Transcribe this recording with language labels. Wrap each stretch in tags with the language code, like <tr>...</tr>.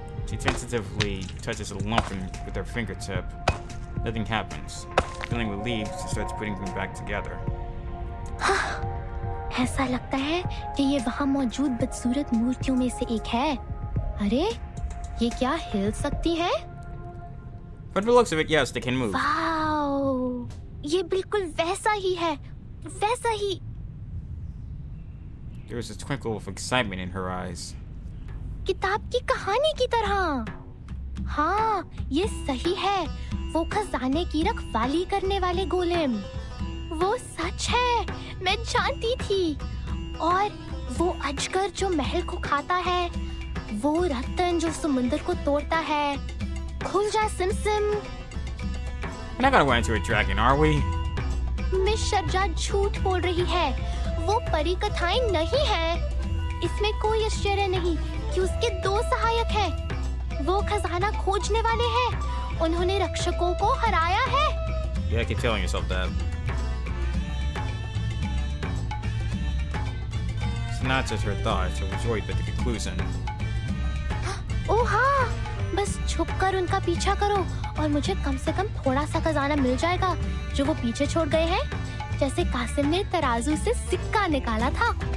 <en>She tentatively touches a lump with her fingertip. Nothing happens. Feeling relieved, she starts putting them back together.</en> <hi>ऐसा लगता है कि ये वहाँ मौजूद बदसूरत मूर्तियों में से एक है. अरे, ये क्या हिल सकती है?</hi> <en>From the looks of it, yes, they can move. Wow!</en> <hi>ये बिल्कुल वैसा ही है, वैसा ही.</hi> <en>There is a twinkle of excitement in her eyes.</en> <hi>किताब की कहानी की तरह. हाँ, ये सही है. वो खजाने की रखवाली करने वाले गोलेम. वो सच है. मैं जानती थी. और वो अजगर जो महल को खाता है. वो रत्न जो समुंदर को तोड़ता है. खुल जा सिमसिम.</hi> <en>We're not gonna go into a dragon, are we?</en> <hi>Miss शर्जा झूठ बोल रही है. वो परी कथाएं नहीं है. इसमें कोई आश्चर्य नहीं कि उसके दो सहायक हैं. वो खजाना खोजने वाले हैं. उन्होंने रक्षकों को हराया है.</hi> <en>Yeah, keep telling yourself that. She nods at her thoughts, overjoyed by the conclusion.</en> <hi>Oh, हाँ. बस छुप कर उनका पीछा करो और मुझे कम से कम थोड़ा सा खजाना मिल जाएगा जो वो पीछे छोड़ गए हैं, जैसे कासिम ने तराजू से सिक्का निकाला था.</hi>